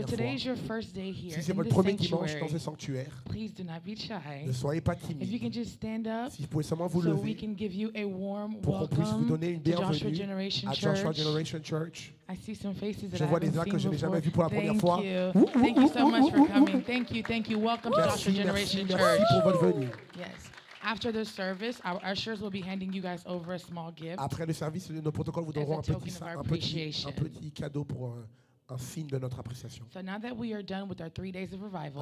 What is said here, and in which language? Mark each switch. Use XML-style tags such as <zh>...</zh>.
<en>So today is your first day here.</en> <fr>Si c'est votre premier dimanche dans ce sanctuaire,</fr> <en>please do not be shy.</en> <fr>Ne soyez pas timide.</fr> <en>If you can just stand up,</en> <fr>si vous pouvez seulement vous lever,</fr> <en>so we can give you a warm</en> <fr>pour qu'on puisse vous donner une bienvenue</fr> <en>to Joshua Generation</en> <fr>à Joshua Generation Church.</fr> <en>I see some faces that</en> <fr>je vois des gens que je n'ai jamais vus pour la</fr> <en>thank</en> <fr>première</fr> <en>you.</en> <fr>Fois.</fr> <en>Thank you so much for coming. Thank you. Welcome to Joshua Generation</en> <fr>merci</fr> <en>Church.</en> <fr>Merci pour votre venue.</fr> <en>Yes. After the service, our ushers will be handing you guys over a small gift.</en> <fr>Après le service, nos protocoles vous donneront un petit cadeau pour un signe de notre appréciation.</fr> <en>So now that we are done with our 3 days of revival.</en>